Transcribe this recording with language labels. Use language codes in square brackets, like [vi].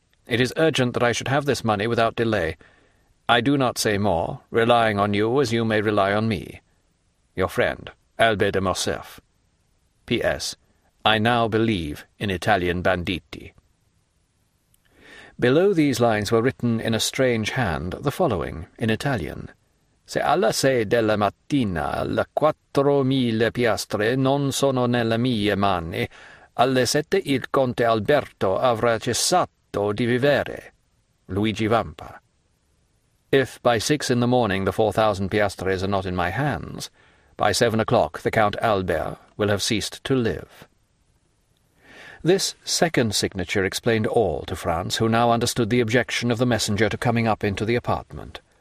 [en] It is urgent that I should have this money without delay. I do not say more, relying on you as you may rely on me. Your friend, Albert de Morcerf. P.S. I now believe in Italian banditti." Below these lines were written in a strange hand the following, in Italian. [it] "'Se alla sei della mattina le 4,000 piastre non sono nelle mie mani, alle 7 il conte Alberto avrà cessato di vivere. Luigi Vampa. [en] "'If by 6 in the morning the 4,000 piastres are not in my hands, by 7 o'clock the Count Albert will have ceased to live.' This second signature explained all to Franz, who now understood the objection of the messenger to coming up into the apartment.